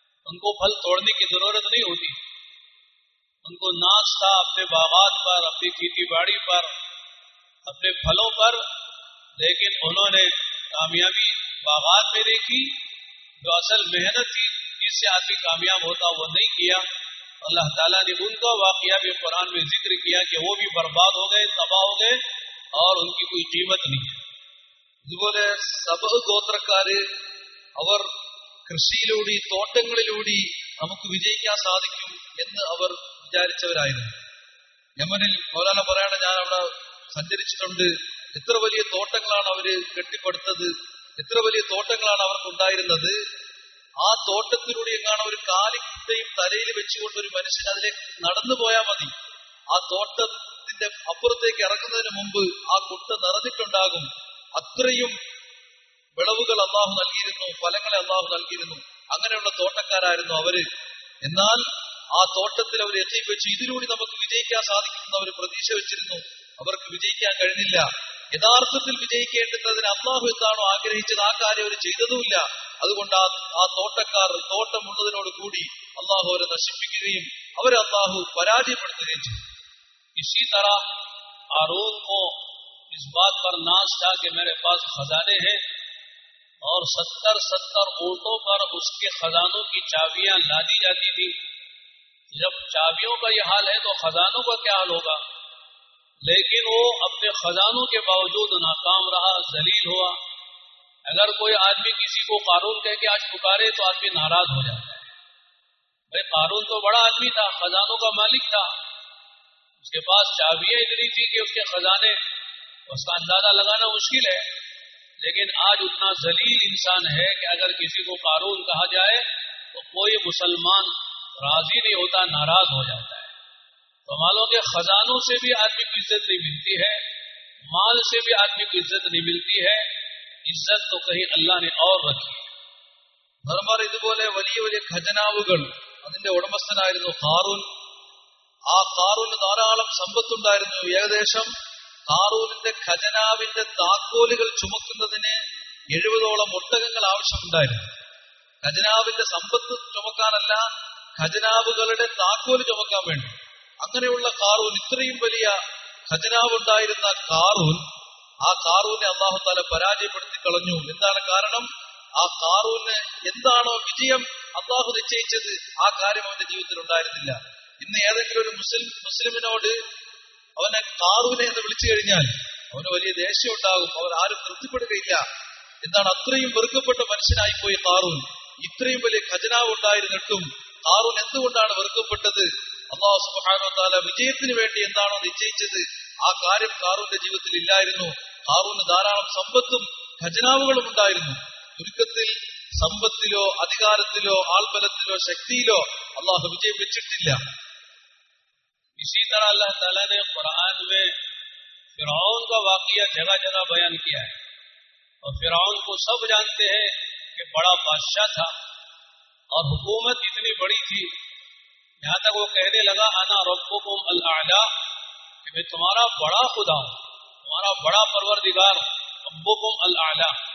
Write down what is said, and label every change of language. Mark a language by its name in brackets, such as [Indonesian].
[Urdu] ان کو پھل توڑنے کی ضرورت نہیں ہوتی, ان کو ناشتہ اپنے باغات پر, اپنی کھیتی باڑی پر, اپنے پھلوں پر, لیکن انہوں نے کامیابی باغات میں دیکھی, جو اصل محنت تھی جس سے آدمی کامیاب ہوتا وہ نہیں کیا. اللہ تعالیٰ نے ان کا واقعہ بھی قرآن میں ذکر کیا کہ وہ بھی برباد ہو گئے, تباہ ہو گئے اور ان کی کوئی قیمت نہیں ہے. [Malayalam] ഇതുപോലെ സബഹ് ഗോത്രക്കാര് അവർ കൃഷിയിലൂടെ തോട്ടങ്ങളിലൂടെ നമുക്ക് വിജയിക്കാൻ സാധിക്കും എന്ന് അവർ വിചാരിച്ചവരായിരുന്നു. യമനിൽ മൗലാന പറയാണ്, ഞാൻ അവിടെ സഞ്ചരിച്ചിട്ടുണ്ട്, എത്ര വലിയ തോട്ടങ്ങളാണ് അവര് കെട്ടിപ്പടുത്തത്, എത്ര വലിയ തോട്ടങ്ങളാണ് അവർക്ക് ഉണ്ടായിരുന്നത്. ആ തോട്ടത്തിലൂടെ എങ്ങാണ് ഒരു കാലിക്കുട്ടയും തലയിൽ വെച്ചുകൊണ്ട് ഒരു മനുഷ്യൻ അതിലേക്ക് നടന്നു പോയാൽ മതി, ആ തോട്ടത്തിന്റെ അപ്പുറത്തേക്ക് ഇറങ്ങുന്നതിന് മുമ്പ് ആ കുട്ട നിറഞ്ഞിട്ടുണ്ടാകും. അത്രയും വിളവുകൾ അള്ളാഹു നൽകിയിരുന്നു, ഫലങ്ങളെ അള്ളാഹു നൽകിയിരുന്നു. അങ്ങനെയുള്ള തോട്ടക്കാരായിരുന്നു അവര്. എന്നാൽ ആ തോട്ടത്തിൽ അവർ എത്തി വെച്ച് ഇതിലൂടെ നമുക്ക് വിജയിക്കാൻ സാധിക്കുമെന്ന് അവർ പ്രതീക്ഷ വെച്ചിരുന്നു. അവർക്ക് വിജയിക്കാൻ കഴിഞ്ഞില്ല. യഥാർത്ഥത്തിൽ വിജയിക്കേണ്ടതിന് അള്ളാഹു എന്താണോ ആഗ്രഹിച്ചത് ആ കാര്യം അവർ ചെയ്തതുമില്ല. അതുകൊണ്ട് ആ തോട്ടക്കാർ തോട്ടം ഉള്ളതിനോട് കൂടി അള്ളാഹു അവരെ നശിപ്പിക്കുകയും അവരെ അള്ളാഹു പരാജയപ്പെടുത്തുകയും ചെയ്തു. [Urdu] اس بات پر ناز تھا کہ میرے پاس خزانے ہیں اور 70-70 اونٹوں پر اس کے خزانوں کی چابیاں لادی جاتی تھی. جب چابیوں کا یہ حال ہے تو خزانوں کا کیا حال ہوگا. لیکن وہ اپنے خزانوں کے باوجود ناکام رہا, ذلیل ہوا. اگر کوئی آدمی کسی کو قارون کہہ کے آج پکارے تو آدمی ناراض ہو جاتا ہے. بھائی قارون تو بڑا آدمی تھا, خزانوں کا مالک تھا, اس کے پاس چابیاں اتنی تھی کہ اس کے خزانے اس کا اندازہ لگانا مشکل ہے. لیکن آج اتنا ذلیل انسان ہے کہ اگر کسی کو قارون کہا جائے تو کوئی مسلمان راضی نہیں ہوتا, ناراض ہو جاتا ہے. تو مالوں کے خزانوں سے بھی آدمی کی عزت نہیں ملتی ہے, مال سے بھی آدمی کی عزت نہیں ملتی ہے. عزت تو کہیں اللہ نے اور رکھی ہے. مرمر ادبول ولی ولی خزناوگل [Malayalam] അതിന്റെ ഉടമസ്ഥനായിരുന്നു ഖാറൂൻ. ആ ഖാറൂന് ധാരാളം സമ്പത്തുണ്ടായിരുന്നു. ഏകദേശം ഖാറൂനിന്റെ ഖജനാവിന്റെ താക്കോലുകൾ ചുമക്കുന്നതിന് 70 ഒട്ടകങ്ങൾ ആവശ്യമുണ്ടായിരുന്നു. ഖജനാവിന്റെ സമ്പത്ത് ചുമക്കാനല്ല, ഖജനാവുകളുടെ താക്കോൽ ചുമക്കാൻ വേണ്ടി. അങ്ങനെയുള്ള ഖാറൂൻ, ഇത്രയും വലിയ ഖജനാവ് ഉണ്ടായിരുന്ന ഖാറൂൻ, ആ ഖാറൂനെ അല്ലാഹു തആല പരാജയപ്പെടുത്തി കളഞ്ഞു. എന്താണ് കാരണം? ആ ഖാറൂന് എന്താണോ വിജയം അല്ലാഹു നിശ്ചയിച്ചത് ആ കാര്യം അവന്റെ ജീവിതത്തിൽ ഉണ്ടായിരുന്നില്ല. ഇന്ന് ഏതെങ്കിലും ഒരു മുസ്ലിമിനോട് അവനെ കാറൂനെ എന്ന് വിളിച്ചു കഴിഞ്ഞാൽ അവന് വലിയ ദേഷ്യം ഉണ്ടാകും, അവൻ ആരും തൃപ്തിപ്പെടുകയില്ല. എന്താണ്? അത്രയും വെറുക്കപ്പെട്ട മനുഷ്യനായി പോയി കാറൂൻ. ഇത്രയും വലിയ ഖജനാവ് ഉണ്ടായിരുന്നിട്ടും കാറൂൻ എന്തുകൊണ്ടാണ് വെറുക്കപ്പെട്ടത്? അല്ലാഹു സുബ്ഹാനഹു വ തആല വിജയത്തിന് വേണ്ടി എന്താണോ നിശ്ചയിച്ചത് ആ കാര്യം കാറൂന്റെ ജീവിതത്തിൽ ഇല്ലായിരുന്നു. കാറൂന് ധാരാളം സമ്പത്തും ഖജനാവുകളും ഉണ്ടായിരുന്നു. ചുരുക്കത്തിൽ സമ്പത്തിലോ അധികാരത്തിലോ ആൾബലത്തിലോ ശക്തിയിലോ അല്ലാഹു വിജയം വെച്ചിട്ടില്ല. [Urdu] اسی طرح اللہ تعالیٰ نے قرآن میں فرعون کا واقعہ جگہ جگہ بیان کیا ہے. اور فرعون کو سب جانتے ہیں کہ بڑا بادشاہ تھا اور حکومت اتنی بڑی تھی, یہاں تک وہ کہنے لگا [Arabic] انا ربکم الاعلی, [Urdu] کہ میں تمہارا بڑا خدا ہوں, تمہارا بڑا پروردگار, ربکم الاعلی.